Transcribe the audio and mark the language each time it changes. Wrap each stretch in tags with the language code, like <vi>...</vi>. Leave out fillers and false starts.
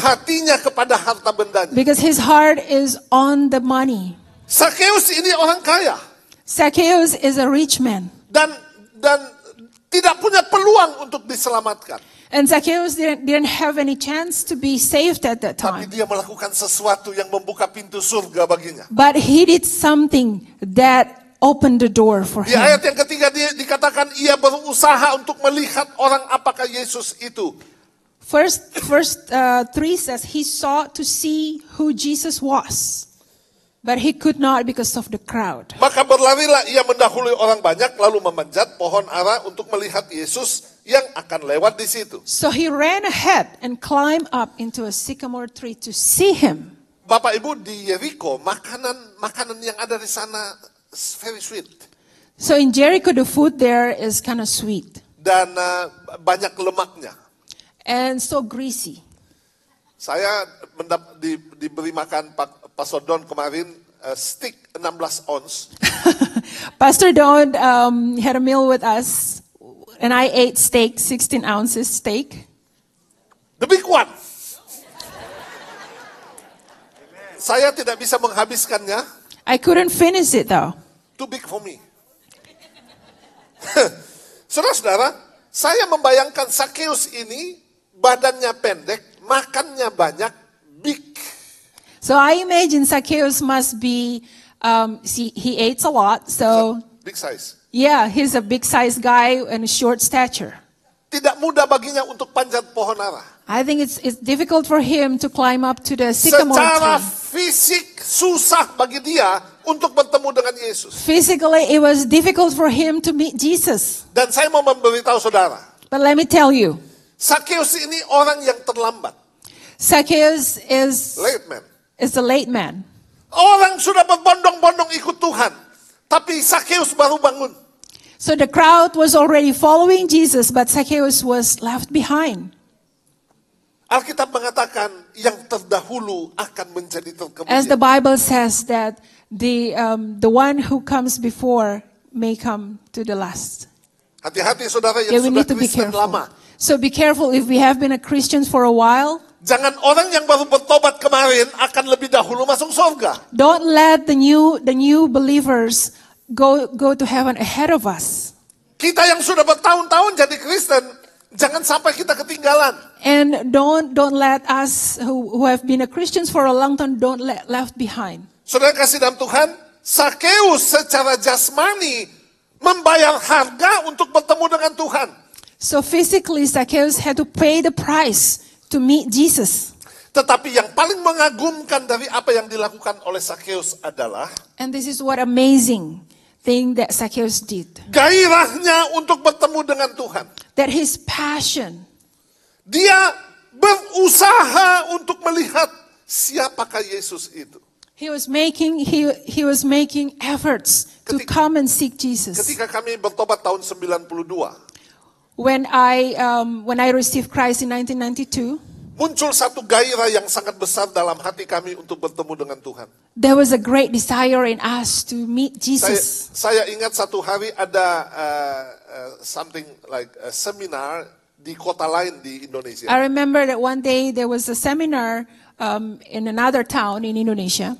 <id>Hatinya kepada harta bendanya.</id> <en>Because his heart is on the money.</en> <id>Zacchaeus ini orang kaya.</id> <en>Zacchaeus is a rich man.</en> <id>Dan tidak punya peluang untuk diselamatkan.</id> <en>And Zacchaeus didn't have any chance to be saved at that time.</en> <id>Tapi dia melakukan sesuatu yang membuka pintu surga baginya.</id> <en>But he did something that opened the door for him.</en> <id>Di ayat yang ketiga dikatakan ia berusaha untuk melihat orang apakah Yesus itu.</id> <en>First three says he sought to see who Jesus was. But he could not because of the crowd.</en> <id>Maka berlarilah ia mendahului orang banyak lalu memanjat pohon ara untuk melihat Yesus yang akan lewat di situ.</id> <en>So he ran ahead and climbed up into a sycamore tree to see him.</en> <id>Bapak Ibu, di Jericho makanan yang ada di sana</id> <en>very sweet. So in Jericho the food there is kind of sweet.</en> <id>Dan banyak lemaknya.</id> <en>And so greasy.</en> <id>Saya diberi makan Pastor Don kemarin steak 16 ounce.</id> <en>Pastor Don had a meal with us and I ate steak 16 ounces steak. The big one.</en> <id>Saya tidak bisa menghabiskannya.</id> <en>I couldn't finish it though. Too big for me.</en> <id>Saudara-saudara, saya membayangkan Zacchaeus ini badannya pendek, makannya banyak,</id> <en>big. So I imagine Zacchaeus must be, he ate a lot, so. Big size. Yeah, he's a big size guy and a short stature.</en> <id>Tidak mudah baginya untuk panjat pohon ara.</id> <en>I think it's difficult for him to climb up to the sycamore</en> <id>secara Secara fisik susah bagi dia untuk bertemu dengan Yesus.</id> <en>Physically, it was difficult for him to meet Jesus.</en> <id>Dan saya mau memberitahu saudara.</id> <en>But let me tell you.</en> <id>Zacchaeus ini orang yang terlambat.</id> <en>Zacchaeus is late man. Is a late man.</en> <id>Orang sudah berbondong-bondong ikut Tuhan, tapi Zacchaeus baru bangun.</id> <en>So the crowd was already following Jesus, but Zacchaeus was left behind.</en> <id>Alkitab mengatakan yang terdahulu akan menjadi terkemudian.</id> <en>As the Bible says that the one who comes before may come to the last.</en> <id>Hati-hati saudara yang sudah Kristen lama.</id> <en>So be careful if we have been a Christian for a while.</en> <id>Jangan orang yang baru bertobat kemarin akan lebih dahulu masuk surga.</id> <en>Don't let the new believers go to heaven ahead of us.</en> <id>Kita yang sudah bertahun-tahun jadi Kristen, jangan sampai kita ketinggalan.</id> <en>And don't let us who have been a Christians for a long time don't let left behind.</en> <id>Saudara kasih dalam Tuhan, Zacchaeus secara jasmani membayar harga untuk bertemu dengan Tuhan.</id> <en>So physically Zacchaeus had to pay the price to meet Jesus.</en> <id>Tetapi yang paling mengagumkan dari apa yang dilakukan oleh Zacchaeus adalah,</id> <en>and this is what amazing thing that Zacchaeus did.</en> <id>Gairahnya untuk bertemu dengan Tuhan.</id> <en>That his passion.</en> <id>Dia berusaha untuk melihat siapakah Yesus itu.</id> <en>He was making efforts to come and seek Jesus.</en> <id>Ketika kami bertobat tahun 92,</id> <en>When I received Christ in 1992,</en> <id>muncul satu gairah yang sangat besar dalam hati kami untuk bertemu dengan Tuhan.</id> <en>There was a great desire in us to meet Jesus.</en> <id>Saya ingat satu hari ada</id> <en>something like a seminar</en> <id>di kota lain di Indonesia.</id> <en>I remember that one day there was a seminar in another town in Indonesia.</en>